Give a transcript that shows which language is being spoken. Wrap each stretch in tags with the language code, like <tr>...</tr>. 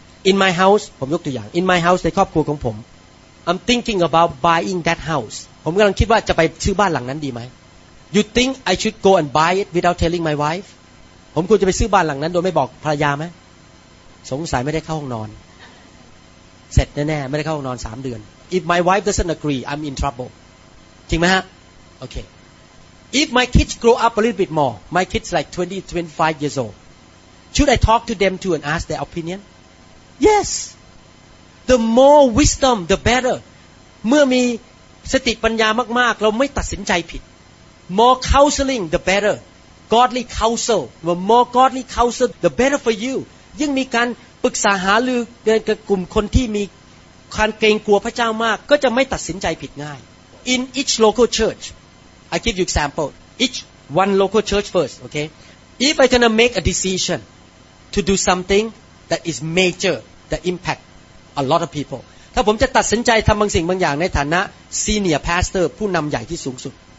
<en>In my house</en> <th>ผมยกตัวอย่าง In my house ในครอบครัวของผม</th> <en>I'm thinking about buying that house</en> <th>ผมกำลังคิดว่าจะไปซื้อบ้านหลังนั้นดีไหม</th> <en>You think I should go and buy it without telling my wife</en> <th>ผมควรจะไปซื้อบ้านหลังนั้นโดยไม่บอกภรรยาไหมสงสัยไม่ได้เข้าห้องนอนเสร็จแน่ๆไม่ได้เข้าห้องนอน3เดือน</th> <en>If my wife doesn't agree, I'm in trouble.</en> <th>จริงไหมฮะ Okay.</th> <en>If my kids grow up a little bit more, my kids like 20, 25 years old, should I talk to them too and ask their opinion? Yes. The more wisdom, the better.</en> <th>เมื่อมีสติปัญญามากๆเราไม่ตัดสินใจผิด</th> <en>More counseling, the better. godly counsel the more godly counsel the better for you</en> <th>ยิ่งมีการปรึกษาหารือกับกลุ่มคนที่มีความเกรงกลัวพระเจ้ามากก็จะไม่ตัดสินใจผิดง่าย</th> <en>in each local church I give you example each one local church first okay if I gonna make a decision to do something that is major that impact a lot of people</en> <th>ถ้าผมจะตัดสินใจทำบางสิ่งบางอย่างในฐานะ</th> <en>senior pastor</en> <th>ผู้นำใหญ่ที่สูงสุด</th>